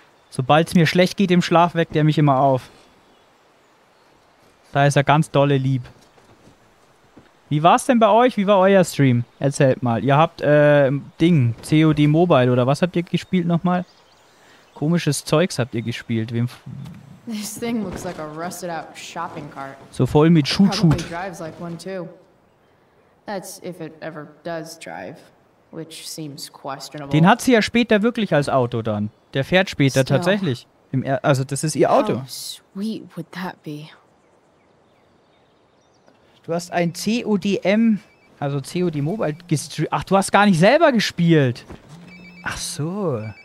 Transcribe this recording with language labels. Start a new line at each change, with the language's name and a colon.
German: Sobald es mir schlecht geht im Schlaf, weckt er mich immer auf. Da ist er ganz dolle lieb. Wie war's denn bei euch? Wie war euer Stream? Erzählt mal. Ihr habt, COD Mobile oder was habt ihr gespielt nochmal? Komisches Zeugs habt ihr gespielt.
English: This thing looks like a rusted out shopping cart.
German: So voll mit Schut-Schut.
English: Probably drives like one too. That's if it ever does drive, which seems questionable.
German: Den hat sie ja später wirklich als Auto dann. Der fährt später still, tatsächlich. Also das ist ihr Auto.
English: How sweet would that be?
German: Du hast ein CODM, also COD Mobile gestreamt. Ach, du hast gar nicht selber gespielt. Ach so.